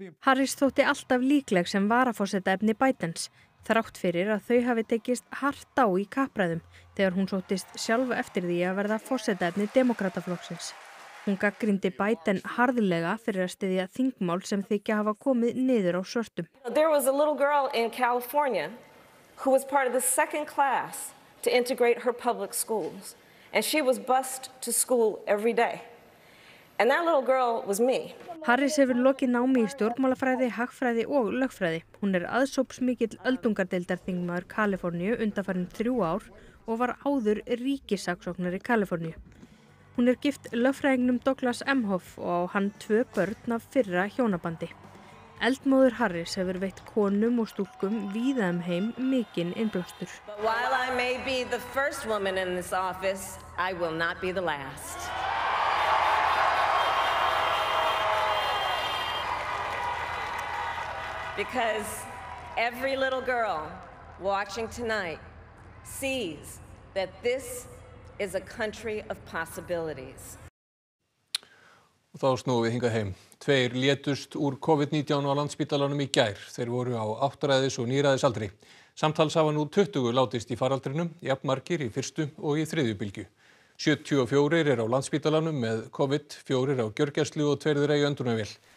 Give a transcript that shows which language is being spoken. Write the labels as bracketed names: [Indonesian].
[Icelandic] Harris þótti alltaf líkleg sem varaforseta efni Bidens, þrátt fyrir að þau hafi tekist hart á í kappræðum þegar hún sóttist sjálf eftir því að verða forsetaefni demókrataflokksins. Hún gagnrýndi Biden harðlega fyrir að styðja þingmál sem þykja hafa komið niður á svörtum. [English] There was a little girl in California who was part of the second class to integrate her public schools. And she was bused to school every day. And that little girl was me. [Icelandic] Harris hefur lokið námi í stjórnmálafræði, hagfræði og lögfræði. Hún er aðsópsmikill öldungardeildarþingmaður Kaliforníu undanfarin 3 ár og var áður ríkissaksóknari Kaliforníu. Hún er gift lögfræðingnum Douglas Emhoff og á hann 2 börn af fyrra hjónabandi. Eldmóður Harris hefur veitt konum og stúlkum víða heim mikinn innblástur. [English] While I may be the first woman in this office, I will not be the last. Because every little girl watching tonight sees that this is a country of possibilities. [Icelandic] Og þá snúum við hingað heim. 2 létust úr COVID-19 á Landspítalanum í gær. Þeir voru á 80s og 90s aldri. Samtals hafa nú 20 látist í faraldrinum, jafnmargir í fyrstu og í þriðju bylgju. 74 eru á Landspítalanum með COVID, 4 á gjörgæslu og 2 þeirra í öndunarvél.